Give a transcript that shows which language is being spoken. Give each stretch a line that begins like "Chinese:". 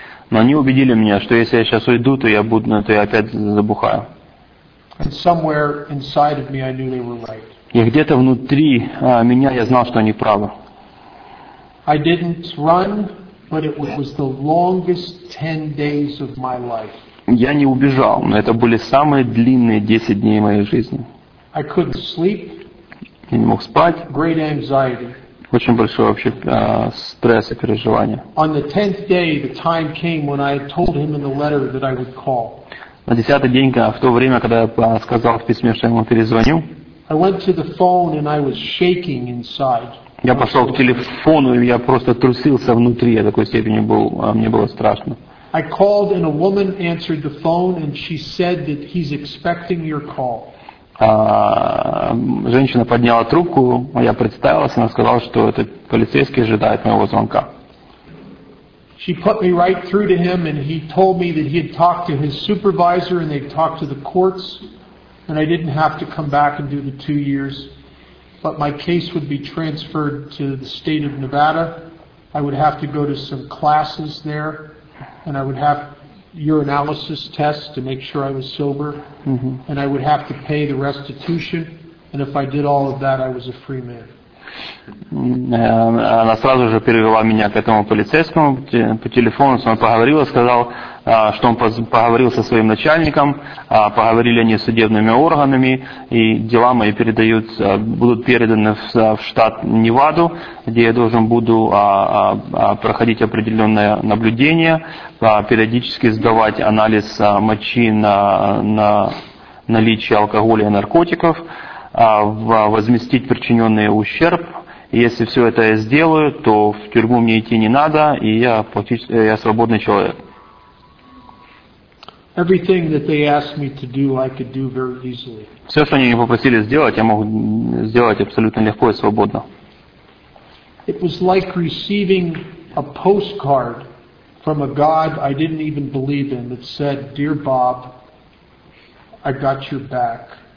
Russian: Но они убедили меня, что если я сейчас уйду, то я буду, то я опять забухаю.
English: And somewhere inside of me, I knew they were right.
Russian: И где-то внутри меня я знал, что они правы.
English: I didn't run, but it was the longest 10 days of my life.
Russian: Я не убежал, но это были самые длинные 10 дней моей жизни.
English: I couldn't sleep.
Russian: Я не мог спать.
English: Great anxiety.
Russian: Очень большой вообще стресс и переживания.
English: On the 10th day, the time came when I told him in the letter that I would call.
Russian: На 10-й день, в то время, когда я сказал в письме, что я ему перезвоню,
English: I went to the phone and I was shaking inside.
Russian: Я пошел к телефону, и я просто трусился внутри, я такой степени был, мне было страшно.
English: I called and a woman answered the phone and she said that he's expecting your call.
Russian: Женщина подняла трубку, я представилась, она сказала, что этот полицейский ожидает моего звонка.
English: She put me right through to him and he told me that he had talked to his supervisor and they'd talked to the courts and I didn't have to come back and do the 2 years, but my case would be transferred to the state of Nevada. I would have to go to some classes there. And I would have your analysis test to make sure I was sober. Mm-hmm. And I would have to pay the restitution. And if I did all of that, I was a free man.
Russian: Она сразу же перевела меня к этому полицейскому по телефону. Он поговорил, сказал, что он поговорил со своим начальником, поговорили они с судебными органами, и дела мои будут переданы в штат Неваду, где я должен буду проходить определенное наблюдение, периодически сдавать анализ мочи на наличие алкоголя и наркотиков, возместить причиненный ущерб. Если все это я сделаю, то в тюрьму мне идти не надо, и я свободный человек.
English: Everything that they asked me to do, I could do very easily.
Russian: Все, что они меня попросили сделать, я мог сделать абсолютно легко и свободно.
English: It was like receiving a postcard from a God I didn't even believe in that said, "Dear Bob, I got your back.